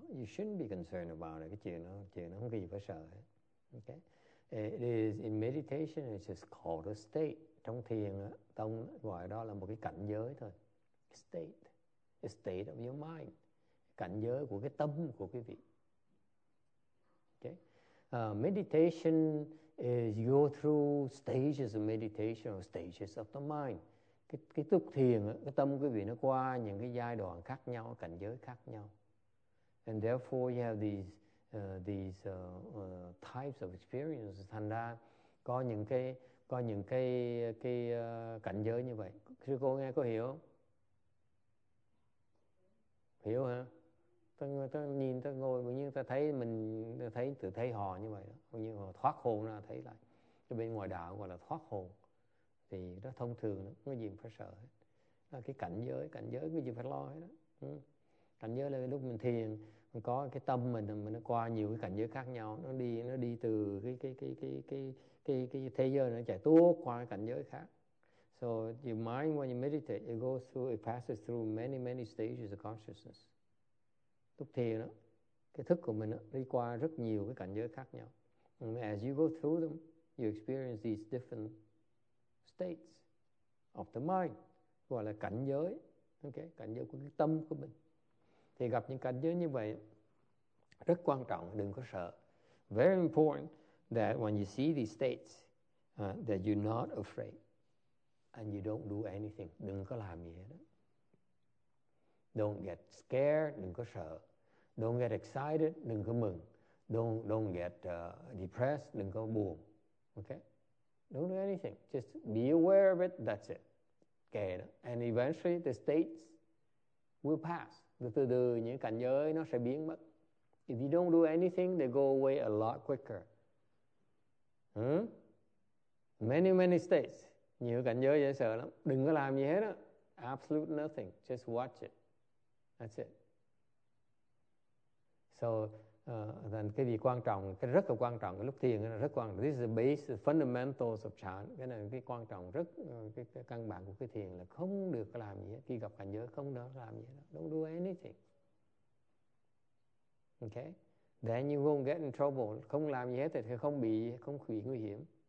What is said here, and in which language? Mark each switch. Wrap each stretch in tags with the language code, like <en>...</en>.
<en>You shouldn't be concerned about it.</en> <vi>Cái chuyện đó không có gì phải sợ hết. Okay.</vi> <en>It is in meditation. It's just called a state.</en> <vi>Trong thiền, tông gọi đó là một cái cảnh giới thôi.</vi> <en>State, a state of your mind.</en> <vi>Cảnh giới của cái tâm của quý vị.</vi> <en>Okay. Meditation is you go through stages of meditation or stages of the mind.</en> <vi>Cái thức thiền, cái tâm quý vị nó qua những cái giai đoạn khác nhau, cảnh giới khác nhau.</vi> <en>And therefore you have these types of experiences.</en> <vi>Thành ra có những cái cảnh giới như vậy. Sư cô nghe có hiểu không? Hiểu hả? Ta nhìn ta ngồi, bỗng nhiên ta thấy mình ta thấy tự thấy họ như vậy đó, bỗng nhiên họ thoát hồn ra thấy lại. Cái bên ngoài đạo gọi là thoát hồn. Thì đó thông thường đó, không có gì phải sợ hết. Là cái cảnh giới cái gì phải lo hết đó. Cảnh giới là lúc mình thiền, mình có cái tâm mình nó qua nhiều cái cảnh giới khác nhau, nó đi từ cái cái thế giới nó chạy tuốt qua cảnh giới khác.</vi> <en>So your mind when you meditate, it goes through, it passes through many many stages of consciousness.</en> <vi>Lúc thiền đó, cái thức của mình đó, đi qua rất nhiều cái cảnh giới khác nhau.</vi> <en>And as you go through them, you experience these different states of the mind,</en> <vi>gọi là cảnh giới, okay, cảnh giới của cái tâm của mình. Thì gặp những cảnh giới như vậy rất quan trọng, đừng có sợ.</vi> <en>Very important that when you see these states, that you're not afraid and you don't do anything.</en> <vi>Đừng có làm gì hết.</vi> <en>Don't get scared,</en> <vi>đừng có sợ.</vi> <en>Don't get excited,</en> <vi>đừng có mừng.</vi> <en>Don't get depressed,</en> <vi>đừng có buồn.</vi> <en>Okay? Don't do anything. Just be aware of it, that's it. Okay, and eventually the states will pass.</en> <vi>Từ từ từ những cảnh giới nó sẽ biến mất.</vi> <en>If you don't do anything, they go away a lot quicker. Hmm? Many, many states.</en> <vi>Nhiều cảnh giới dễ sợ lắm. Đừng có làm gì hết á.</vi> <en>Absolute nothing. Just watch it. That's it.</en> <vi>So, then cái gì quan trọng, cái rất là quan trọng, cái lúc thiền là rất quan trọng.</vi> <en>This is the base, the fundamentals of chan.</en> <vi>Cái này cái quan trọng rất, cái căn bản của cái thiền là không được làm gì hết. Khi gặp cảnh giới không được làm gì hết.</vi> <en>Don't do anything. Okay? Then you won't get in trouble.</en> <vi>Không làm gì hết thì không bị, không bị nguy hiểm.</vi>